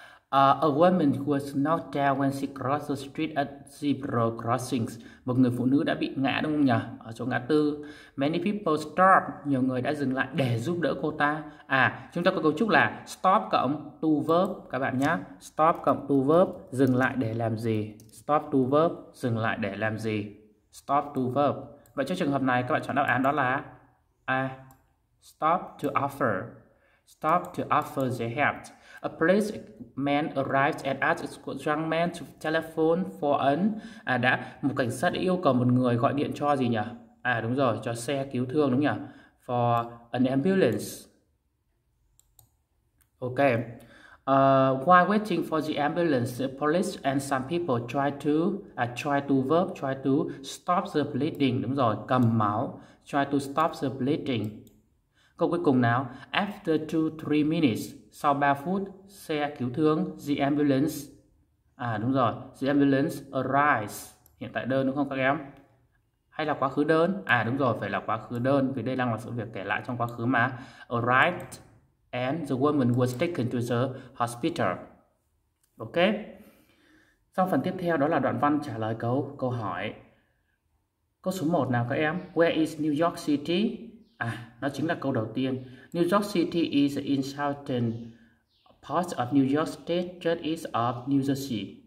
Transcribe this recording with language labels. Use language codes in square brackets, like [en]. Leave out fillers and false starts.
[en] A woman who was knocked down when she crossed the street at zebra crossings. [vi] Một người phụ nữ đã bị ngã đúng không nhỉ? Ở chỗ ngã tư. [en] Many people stopped. [vi] Nhiều người đã dừng lại để giúp đỡ cô ta. À, chúng ta có cấu trúc là stop cộng to verb các bạn nhé. Stop cộng to verb, dừng lại để làm gì? Stop to verb, dừng lại để làm gì? Stop to verb. Vậy trong trường hợp này các bạn chọn đáp án đó là A. [en] Stop to offer their help. A policeman arrived and asked a young man to telephone for an. [vi] À đã, một cảnh sát yêu cầu một người gọi điện cho gì nhỉ? À đúng rồi, cho xe cứu thương đúng nhỉ? [en] For an ambulance. Ok. While waiting for the ambulance, the police and some people try to stop the bleeding. [vi] Đúng rồi, cầm máu. [en] Try to stop the bleeding. [vi] Câu cuối cùng nào, [en] after 2-3 minutes, [vi] sau 3 phút, xe cứu thương, the ambulance, à đúng rồi, [en] the ambulance arrives, [vi] hiện tại đơn đúng không các em? Hay là quá khứ đơn? À đúng rồi, phải là quá khứ đơn, vì đây đang là sự việc kể lại trong quá khứ mà. [en] Arrived and the woman was taken to the hospital. [vi] Ok, sau phần tiếp theo đó là đoạn văn trả lời câu hỏi. Câu số 1 nào các em, [en] where is New York City? [vi] À, nó chính là câu đầu tiên. [en] New York City is in southern part of New York State, just east of New Jersey.